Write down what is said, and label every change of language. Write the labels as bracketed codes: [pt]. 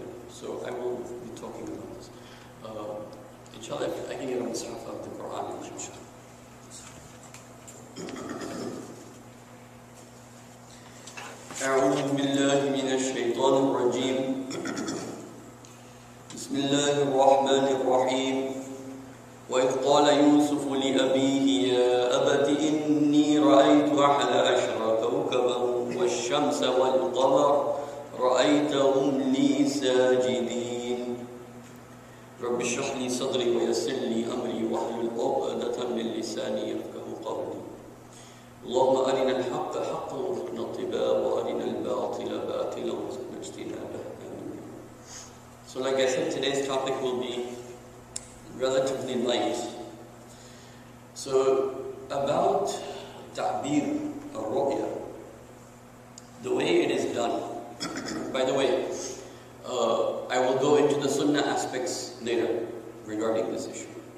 [en] So I will be talking about this. Inshallah, I can get on the half of the Quran, inshallah. [ar] أعوذ بالله من الشيطان الرجيم بسم الله الرحمن الرحيم وإذ قال يوسف لأبيه يا أبت إني رأيت أحد عشر كوكبا والشمس والقمر رأيتهم لي ساجدين رب اشرح لي صدري ويسر لي أمري واحلل عقدة من لساني يفقهوا قولي اللهم أرنا الحق حقا وارزقنا اتباعه وأرنا الباطل باطلا وارزقنا اجتنابه آمين. [en] So like I said, today's topic will be relatively light. So about ta'bir or ru'ya, the way it is done. By the way, I will go into the sunnah aspects later regarding this issue.